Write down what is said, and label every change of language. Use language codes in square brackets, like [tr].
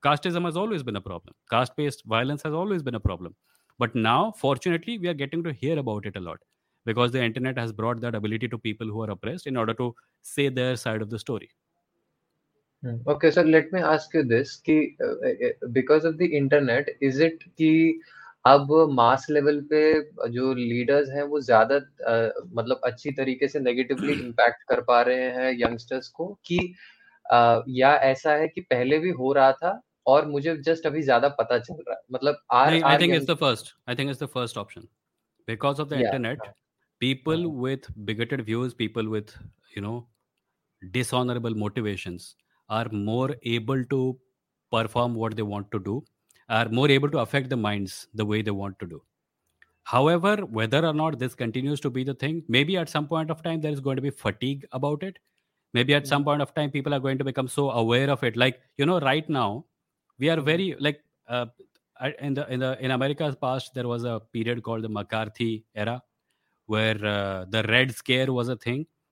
[en] Casteism has always been a problem. Caste-based violence has always been a problem. But now, fortunately, we are getting to hear about it a lot because the internet has brought that ability to people who are oppressed in order to say their side of the story. Okay, so let me ask you this. Because of the internet, is it [hi] ki अब mass level पे जो leaders हैं वो ज्यादा मतलब अच्छी तरीके से नेगेटिवली इंपैक्ट कर पा रहे हैं यंगस्टर्स को कि या ऐसा है कि पहले भी हो रहा था और मुझे जस्ट अभी ज्यादा पता चल रहा है मतलब [en] I think it's the first option because of the internet people with bigoted views people with you know dishonourable motivations are more able to perform what they want to do are more able to affect the minds the way they want to do. However, whether or not this continues to be the thing, maybe at some point of time, there is going to be fatigue about it. Maybe at some point of time, people are going to become so aware of it. Like, you know, right now, we are very, like, in America's past, there was a period called the McCarthy era, where the Red Scare was a thing.